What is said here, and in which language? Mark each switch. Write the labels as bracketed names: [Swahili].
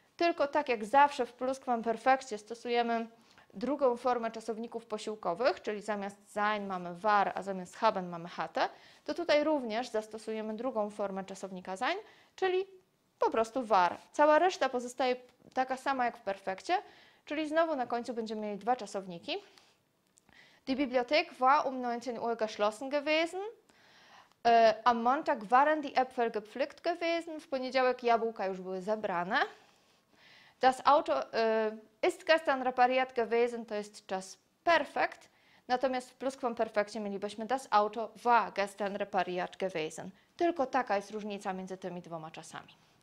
[Polish] Tylko tak jak zawsze w pluskwamperfekcie stosujemy drugą formę czasowników posiłkowych, czyli zamiast sein mamy war, a zamiast haben mamy hatte, to tutaj również zastosujemy drugą formę czasownika sein, czyli po prostu war. Cała reszta pozostaje taka sama jak w perfekcie, czyli znowu na końcu będziemy mieli dwa czasowniki. [German] Die Bibliothek war um 19 Uhr geschlossen gewesen. Am Montag waren die Äpfel gepflückt gewesen. [Polish] W poniedziałek jabłka już były zebrane. [German] Das Auto ist gestern repariert gewesen, [Polish] to jest czas perfekt, natomiast w pluskwamperfekcie mielibyśmy [German] das Auto war gestern repariert gewesen. [Polish] Tylko taka jest różnica między tymi dwoma czasami.